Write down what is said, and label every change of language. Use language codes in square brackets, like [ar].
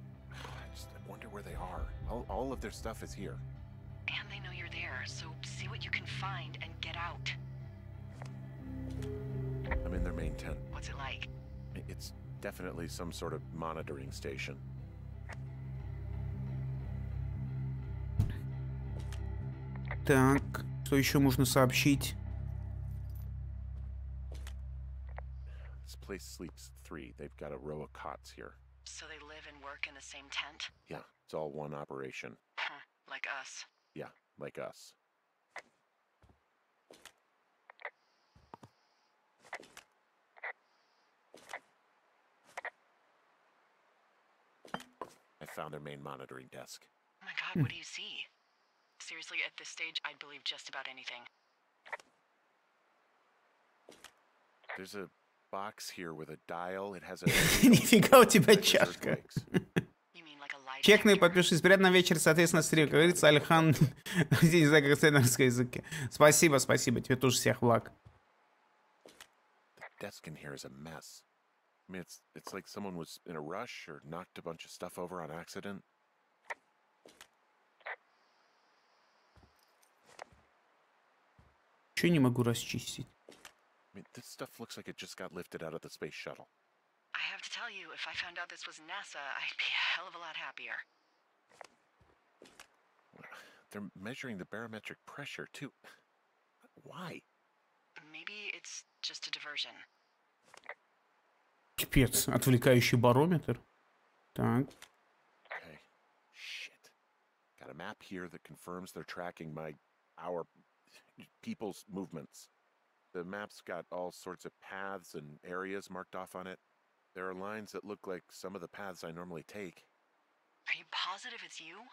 [en] I just wonder where they are. All of their stuff is here. And they know you're there, so see what you can find and get out. I'm in their main tent. What's it like? It's definitely some sort of monitoring station. [ru] Так, что еще можно сообщить? [en] Place sleeps three. They've got a row of cots here. So they live and work in the same tent? Yeah, it's all one operation. Like us. Yeah, like us. I found their main monitoring desk. Oh my god, what do you see? Seriously, at this stage, I'd believe just about anything. There's a box here with a dial. It has a. [ru] Нифига у тебя чашка. Чек на и подпишись. Приятно на вечер, соответственно, стрим. Как говорится, Альхан. Я не знаю, как это на русском языке. Спасибо, спасибо. Тебе тоже всех благ. [en] The desk in here is a mess. I mean, it's like someone was in a rush or knocked a bunch of stuff over on accident. [ru] Чего не могу расчистить? [en] I mean, this stuff looks like it just got lifted out of the space shuttle. I have to tell you, if I found out this was NASA, I'd be a hell of a lot happier. They're measuring the barometric pressure, too. Why? Maybe it's just a diversion. [ru] Кипец, отвлекающий барометр. Так. [en] Okay. Shit. Got a map here that confirms they're tracking our people's movements. The map's got all sorts of paths and areas marked off on it. There are lines that look like some of the paths I normally take. Are you positive it's you?